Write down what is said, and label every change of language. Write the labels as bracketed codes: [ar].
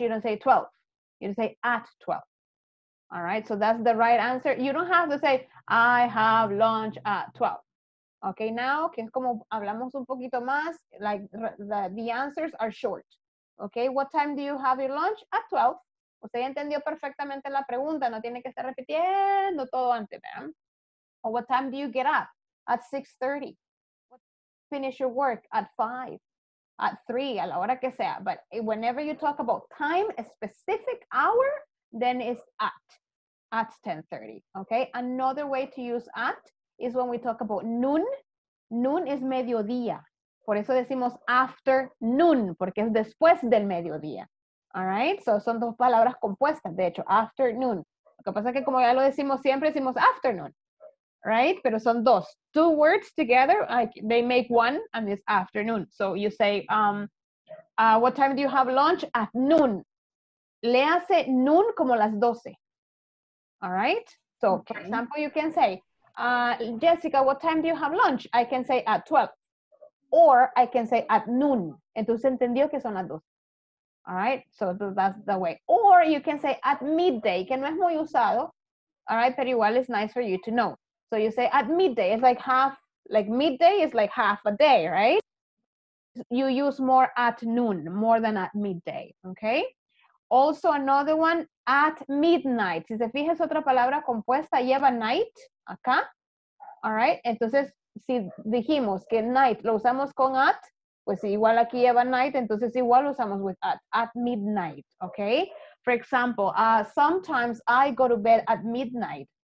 [en] You don't say 12, you say at 12. All right, so that's the right answer. You don't have to say, I have lunch at 12. Okay, now, [es] que es como hablamos un poquito más, [en] like the answers are short. Okay, what time do you have your lunch? At 12. [es] Usted entendió perfectamente la pregunta, no tiene que estar repitiendo todo antes, ¿verdad? [en] Or what time do you get up? At 6:30. What time do you finish your work? At 5. At 3, [es] a la hora que sea. [en] But whenever you talk about time, a specific hour, then it's at 10:30, okay? Another way to use at is when we talk about noon, [es] noon es mediodía. Por eso decimos after noon, porque es después del mediodía. [en] All right? [es] So son dos palabras compuestas, de hecho, after noon. Lo que pasa es que como ya lo decimos siempre, decimos afternoon. [en] Right? [es] Pero son dos. [en] Two words together, like they make one, and it's afternoon. So you say, what time do you have lunch? At noon. [es] Léase noon como las 12. [en] All right? So, okay. For example, you can say, Jessica, what time do you have lunch? I can say at 12. Or I can say at noon. [es] Entonces, ¿entendió que son las 12? [en] All right? So that's the way. Or you can say at midday, [es] que no es muy usado. [en] All right? [es] Pero igual [en] it's nice for you to know. So you say at midday, it's like half, like midday is like half a day, right? You use more at noon, more than at midday, okay? Also another one, at midnight. [es] Si se fija, es otra palabra compuesta, lleva night acá, [en] all right? [es] Entonces, si dijimos que night lo usamos con at, pues igual aquí lleva night, entonces igual lo usamos [en] with at midnight, okay? For example, sometimes I go to bed at midnight.